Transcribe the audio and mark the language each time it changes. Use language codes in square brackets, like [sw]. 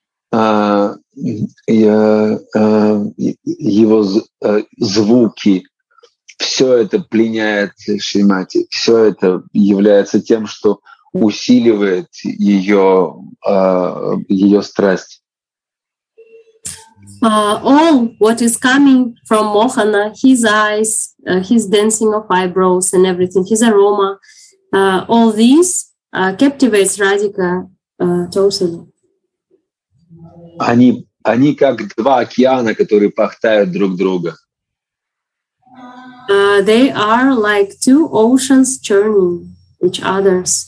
[ru] Его звуки, все это пленяет Шримати, все это является тем, что усиливает ее страсть. [en] All what is coming from Mohana, his eyes, his dancing of eyebrows and everything, his aroma, all these captivates Radhika totally. [ru] Они как два океана, которые пахтают друг друга. [en] They are like two oceans churning each other.